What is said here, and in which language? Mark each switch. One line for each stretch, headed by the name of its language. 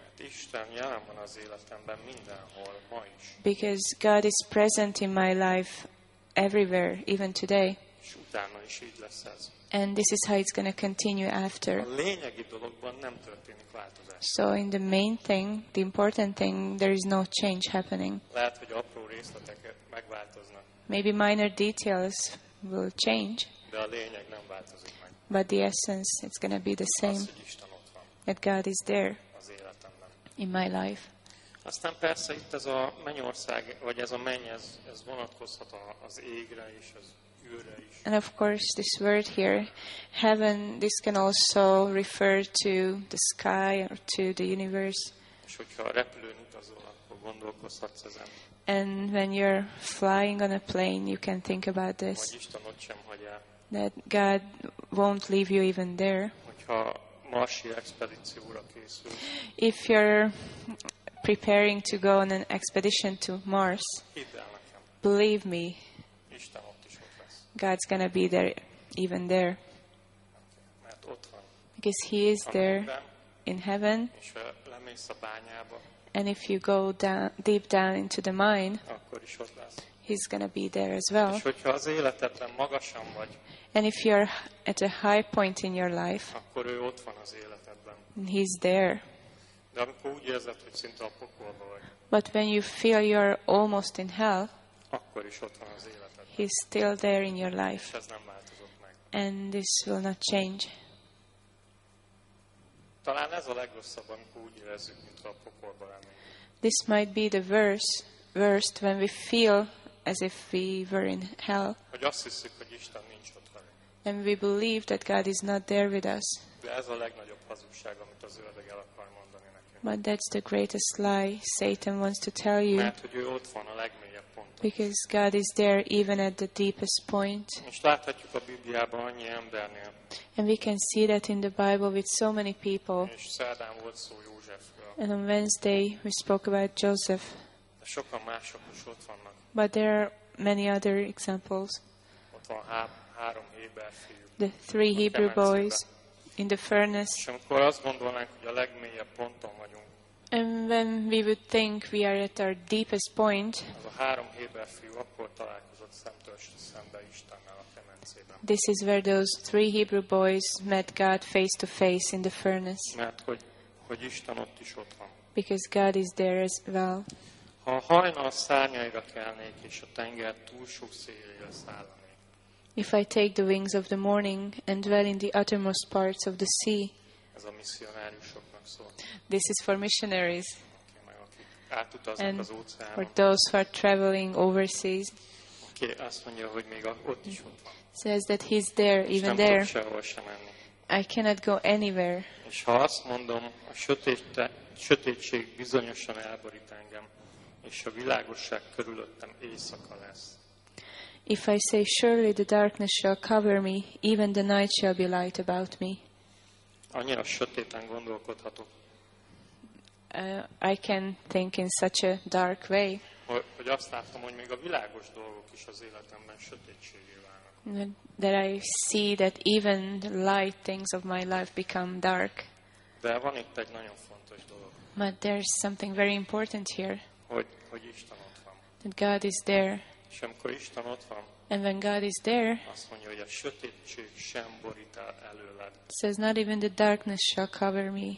Hungarian: Isten jelen van az életemben mindenhol, ma is.
English: Because God is present in my life everywhere, even today.
Hungarian: És utána is így lesz ez.
English: And this is how it's going to continue after.
Hungarian: A lényegi dologban nem történik változás.
English: So in the main thing, the important thing, there is no change happening.
Hungarian: Lehet, hogy apró részletek megváltoznak.
English: Maybe minor details will change.
Hungarian: De a lényeg nem változik meg.
English: But the essence, it's going to be the same.
Hungarian: Az, hogy Isten ott van.
English: That God is there.
Hungarian: Az életemben.
English: In my life.
Hungarian: Aztán persze itt ez a mennyország, vagy ez a menny, ez vonatkozhat az égre és az
English: And of course, this word here, heaven, this can also refer to the sky or to the universe.
Hungarian: És hogyha a repülőn utazol, akkor gondolkozhatsz ezen.
English: And when you're flying on a plane, you can think about this.
Hungarian: Hogy Isten ott sem hagy el.
English: That God won't leave you even there.
Hungarian: Hogyha marsi expedícióra készül.
English: If you're preparing to go on an expedition to Mars, believe me.
Hungarian: Isten ott.
English: God's going to be there, even there.
Hungarian: Mert ott van.
English: Because he is there in heaven.
Hungarian: És lemész a bányába,
English: and if you go down, deep down into the mine,
Hungarian: akkor is ott lesz.
English: He's going to be there as well.
Hungarian: És hogyha az életedben magasan vagy,
English: and if you're at a high point in your life,
Hungarian: akkor ő ott van az életedben.
English: And he's there.
Hungarian: De amikor úgy érzed, hogy szinte a pokolban vagy,
English: but when you feel you're almost in hell,
Hungarian: akkor is ott van az életedben.
English: He's still there in your life.
Hungarian: És ez nem változott meg.
English: And this will not change.
Hungarian: Talán ez a legrosszabb, amikor úgy érezzük, mintha a pokolba lennénk.
English: This might be the worst when we feel as if we were in hell.
Hungarian: Hogy azt hiszük, hogy Isten nincs ott velünk.
English: And we believe that God is not there with us.
Hungarian: De ez a legnagyobb hazugság, amit az ördög el akar mondani nekünk.
English: But that's the greatest lie Satan wants to tell you.
Hungarian: Mert hogy ő ott van a legmélyebb.
English: Because God is there even at the deepest point.
Hungarian: Most láthatjuk a Bibliában annyi embernél.
English: And we can see that in the Bible with so many people.
Hungarian: És szerdán volt szó Józsefről.
English: And on Wednesday we spoke about Joseph.
Hungarian: De sokan mások is ott vannak.
English: But there are many other examples.
Hungarian: Ott van három Héber fiú.
English: The three Hebrew boys in the furnace.
Hungarian: És amikor azt gondolnánk, hogy a legmélyebb ponton vagyunk.
English: And when we would think we are at our deepest point,
Hungarian: az a három Héber fiú akkor találkozott szemtől szembe Istennel a kemencében.
English: This is where those three Hebrew boys met God face to face in the furnace.
Hungarian: Mert hogy Isten ott is ott van.
English: Because God is there as well.
Hungarian: Ha a hajnal szárnyaira kelnék és a tenger túlsó szélére szállnék.
English: If I take the wings of the morning and dwell in the uttermost parts of the sea.
Hungarian: Ez a misszionáriusok.
English: This is for missionaries. Okay, and for those who are traveling overseas.
Hungarian: Okay, azt mondja, hogy még ott is ott van.
English: Says that he's there,
Hungarian: és
English: even there.
Hungarian: Sem menni.
English: I cannot go anywhere.
Hungarian: És ha azt mondom, a sötétség bizonyosan elborít engem, és a világosság körülöttem éjszaka lesz.
English: If I say, surely the darkness shall cover me, even the night shall be light about me.
Hungarian: Annyira sötéten gondolkodhatok.
English: I can think in such a dark way.
Hungarian: Hogy azt látom, hogy még a világos dolgok is az életemben sötétségé válnak.
English: That I see that even the light things of my life become dark.
Hungarian: De van itt egy nagyon fontos dolog.
English: But there's something very important here.
Hungarian: Hogy Isten ott van.
English: That God is there.
Hungarian: És amikor Isten ott van.
English: And when God is there,
Hungarian: azt mondja, hogy a sötétség sem borít el előled.
English: Says not even the darkness shall cover me.